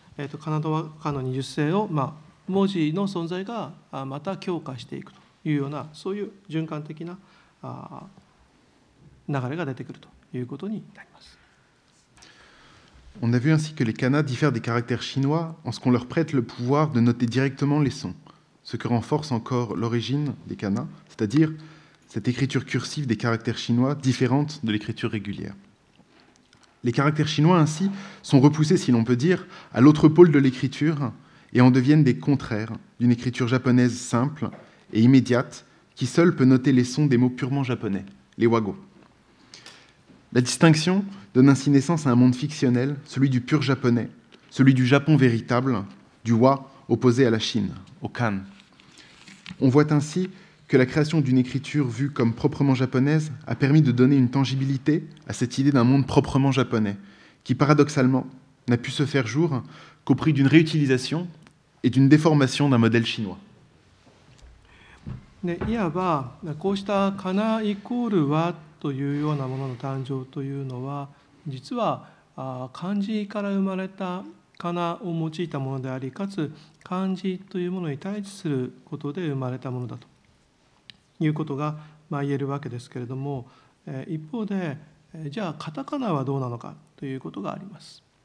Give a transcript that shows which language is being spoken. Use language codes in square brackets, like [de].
[ja] 仮名と和漢の二重性を、まあ、文字の存在がまた強化していくというような、そういう循環的な流れが出てくるということになります。 [fr] On a vu ainsi que les kanas diffèrent des caractères chinois en ce qu'on leur prête le pouvoir de noter directement les sons, ce que renforce encore l'origine des kanas, c'est-à-dire cette écriture cursive des caractères chinois différente de l'écriture régulière. Les caractères chinois ainsi sont repoussés, si l'on peut dire, à l'autre pôle de l'écriture et en deviennent des contraires d'une écriture japonaise simple et immédiate qui seule peut noter les sons des mots purement japonais, les wago. La distinction donne ainsi naissance à un monde fictionnel, celui du pur japonais, celui du Japon véritable, du wa opposé à la Chine, au kan. On voit ainsi que la création d'une écriture vue comme proprement japonaise a permis de donner une tangibilité à cette idée d'un monde proprement japonais, qui paradoxalement n'a pu se faire jour qu'au prix d'une réutilisation et d'une déformation d'un modèle chinois. [ja] いわばこうした仮名イコール和というようなものの誕生というのは、実は漢字から生まれた仮名を用いたものであり、かつ漢字というものに対峙することで生まれたものだということが言えるわけですけれども、一方でじゃあカタカナはどうなのかということがあります。